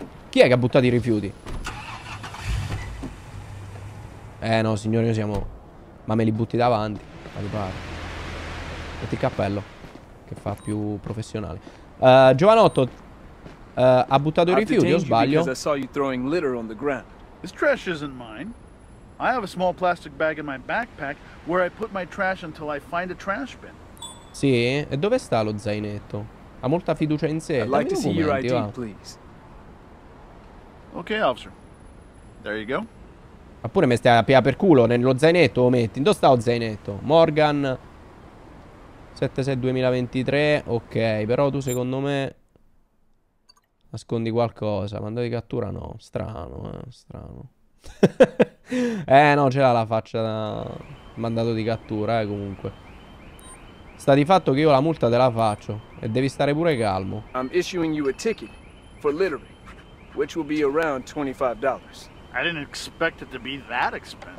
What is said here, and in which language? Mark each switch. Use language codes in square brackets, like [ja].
[it] Chi è che ha buttato i rifiuti? No, signore, noi siamo... Ma me li butti davanti, a riparo. Metti il cappello, che fa più professionale. Giovanotto, ha buttato i rifiuti, o sbaglio? [en] I saw you throwing litter on the ground. This trash isn't mine. I have a small plastic bag in my backpack where I put my trash until I find a trash bin. [it] Sì? E dove sta lo zainetto? Ha molta fiducia in sé. [en] I'd like to see your ID, please. Ok, officer. There you go. [it] Ma pure mi stai a piedi per culo, nello zainetto lo metti. Dove sta lo zainetto? Morgan 76-2023. Ok, però tu secondo me nascondi qualcosa. Mandato di cattura no. Strano. no, ce l'ha la faccia da mandato di cattura, comunque. Sta di fatto che io la multa te la faccio. E devi stare pure calmo. [en] I'm issuing you a ticket for littering, which will be around $25. I didn't expect it to be that expensive.